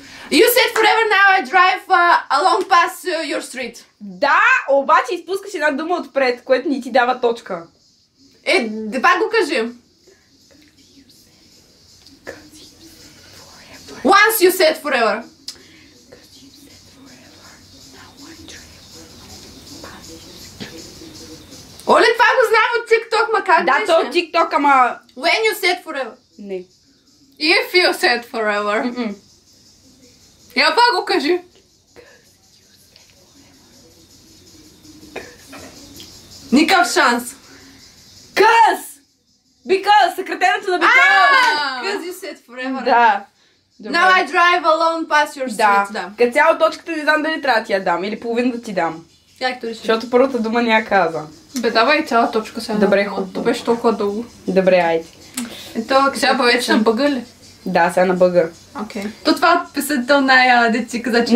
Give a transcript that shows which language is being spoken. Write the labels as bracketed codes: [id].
[en] You said forever, now I drive along past your street. [bg] Да, обаче изпускаш една дума отпред, което ни ти дава точка. Е, дай го кажи. [en] Once you said forever. [bg] Оле, това го знам от TikTok, ма как беше? Да, то от TikTok, ама... [en] When you said forever. [bg] Не. [en] If you said forever. Mm-mm. [bg] Я пак го кажи. Никакъв шанс. [en] Cause. Because. [bg] Съкратеното на бикала. [en] Cause you said forever. [bg] Да. [en] Now I drive alone past your street. [bg] Да. Като цяло точката не знам дали трябва да ти я дам. Или половина да ти дам. Както реши. Защото първата дума не я каза. Бе, давай цяла точка сега. Добре, хубаво. То беше толкова дълго. Добре, айде. Ето, сега повече на бъга ли? Да, сега на бъга. Окей. То това писател на деци каза, че...